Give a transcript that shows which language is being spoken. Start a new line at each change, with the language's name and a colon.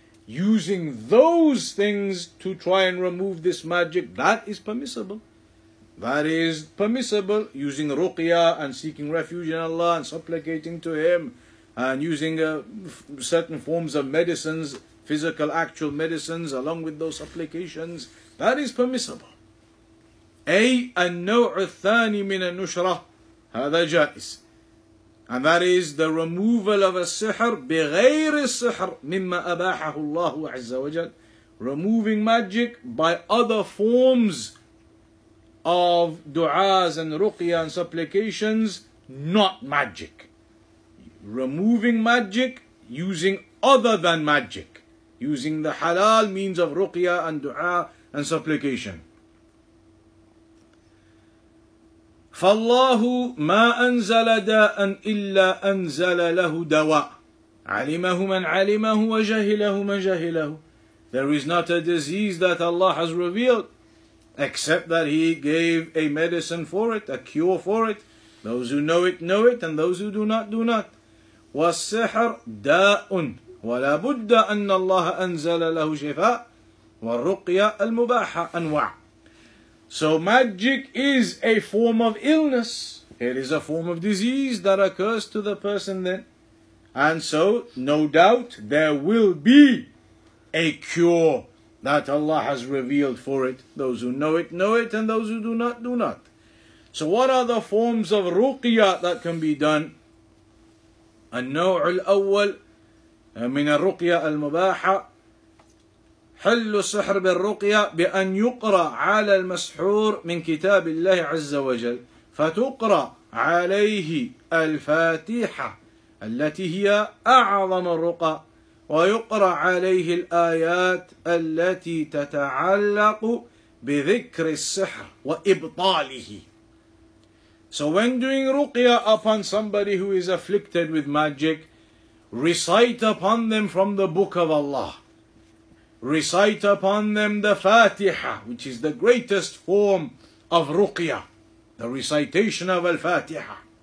English: Using those things to try and remove this magic, that is permissible. That is permissible, using ruqya and seeking refuge in Allah and supplicating to Him, and using certain forms of medicines, physical, actual medicines, along with those supplications, that is permissible.
Arabic: أي النوع الثاني من النشرة هذا جائز.
English: And that is the removal of a sihr
Arabic: بغير السحر مما أباحه الله عز وجل.
English: Removing magic by other forms of du'as and ruqya and supplications, not magic. Removing magic using other than magic, using the halal means of ruqya and du'a and supplication.
Arabic: فَاللَّهُ مَا أَنزَلَ دَاءً إِلَّا أَنزَلَ لَهُ دَوَاءً عَلِمَهُ مَنْ عَلِمَهُ وَجَهِلَهُ مَنْ جَهِلَهُ.
English: There is not a disease that Allah has revealed except that He gave a medicine for it, a cure for it. Those who know it, and those who do not, do not.
Arabic: والسحر داء ولا بد أن الله أنزل له شفاء والرقية المباحة أنواع.
English: So magic is a form of illness. It is a form of disease that occurs to the person then. And so no doubt there will be a cure that Allah has revealed for it. Those who know it, and those who do not, do not. So what are the forms of رقية that can be done?
Arabic: النوع الأول من الرقية المباحة حل السحر بالرقية بأن يقرأ على المسحور من كتاب الله عز وجل فتقرأ عليه الفاتحة التي هي أعظم الرقى ويقرأ عليه الآيات التي تتعلق بذكر السحر وإبطاله.
English: So when doing ruqya upon somebody who is afflicted with magic, recite upon them from the book of Allah. Recite upon them the Fatiha, which is the greatest form of ruqya, the recitation of al-Fatiha.